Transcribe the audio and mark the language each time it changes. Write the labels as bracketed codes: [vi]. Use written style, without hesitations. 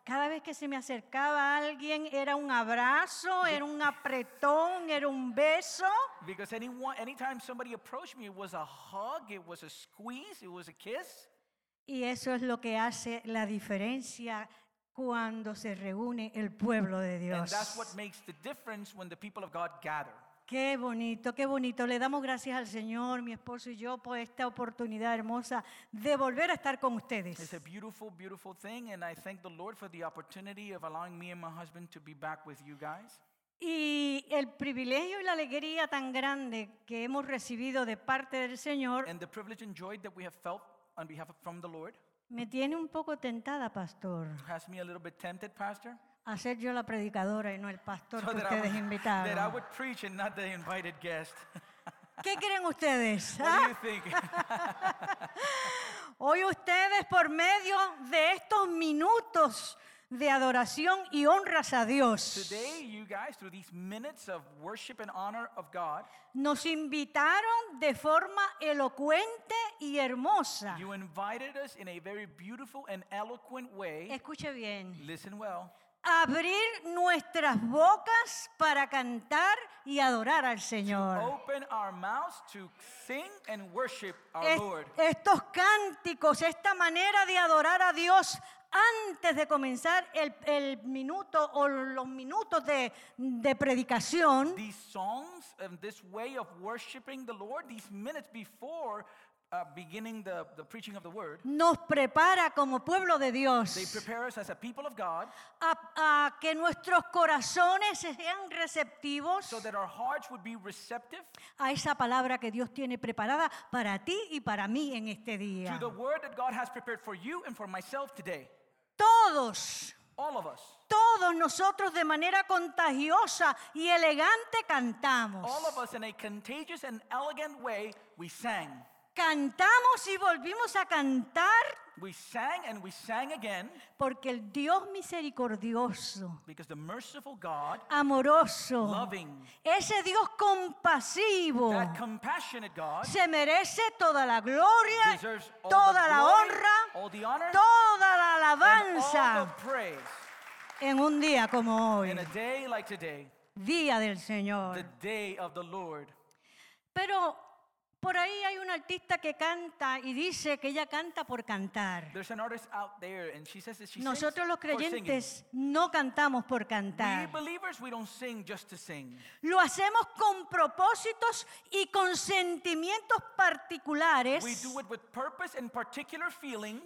[es] Cada vez que se me acercaba a alguien, era un abrazo, era un apretón, era un beso. [en] Because anytime somebody approached me, it was a hug, it was a squeeze, it was a kiss. [es] Y eso es lo que hace la diferencia cuando se reúne el pueblo de Dios. [en] And that's what makes the difference when the people of God gather. [es] Qué bonito, qué bonito. Le damos gracias al Señor, mi esposo y yo, por esta oportunidad hermosa de volver a estar con ustedes. [en] It's a beautiful, beautiful thing, and I thank the Lord for the opportunity of allowing me and my husband to be back with you guys. [es] Y el privilegio y la alegría tan grande que hemos recibido de parte del Señor. [en] And the privilege and joy that we have felt on behalf of from the Lord. [es] Me tiene un poco tentada, pastor. [en] Has me a little bit tempted, pastor? [es] A ser yo la predicadora y no el pastor [en] so [es] que ustedes invitaron. [en] That I would preach and not the invited guest. [es] ¿Qué creen ustedes? [en] What do you think? [es] Hoy ustedes por medio de estos minutos de adoración y honras a Dios. [en] Today you guys through these minutes of worship and honor of God. [es] Nos invitaron de forma elocuente y hermosa. [en] You invited us in a very beautiful and eloquent way. [es] Escuche bien. [en] Listen well. [es] Abrir nuestras bocas para cantar y adorar al Señor. [en] To open our mouths to sing and worship our Lord. [es] Estos cánticos, esta manera de adorar a Dios antes de comenzar el minuto o los minutos de predicación. [en] These songs and this way of worshiping the Lord, these minutes before beginning the preaching of the word, [es] nos prepara como pueblo de Dios. [en] They prepare us as a people of God. [es] A que nuestros corazones sean receptivos. [en] So that our hearts would be receptive. [es] A esa palabra que Dios tiene preparada para ti y para mí en este día. [en] To the word that God has prepared for you and for myself today. [es] Todos. [en] All of us. [es] Todos nosotros de manera contagiosa y elegante cantamos. [en] All of us in a contagious and elegant way we sang. [es] Cantamos y volvimos a cantar. [en] We sang and we sang again. [es] Porque el Dios misericordioso. [en] Because the merciful God. [es] Amoroso. [en] Loving. [es] Ese Dios compasivo. [en] That compassionate God. [es] Se merece toda la gloria. [en] Deserves all [es] toda [en] the [es] la [en] glory, [es] honra. [en] All the honor. [es] Toda la alabanza. [en] And all the praise. [es] En un día como hoy. [en] In a day like today. [es] Día del Señor. [en] The day of the Lord. [es] Pero por ahí hay una artista que canta y dice que ella canta por cantar. [en] There's an artist out there and she says that she [es] Nosotros los creyentes no cantamos por cantar. [en] We believers, we don't sing just to sing. [es] Lo hacemos con propósitos y con sentimientos particulares. [en] We do it with purpose and particular feelings.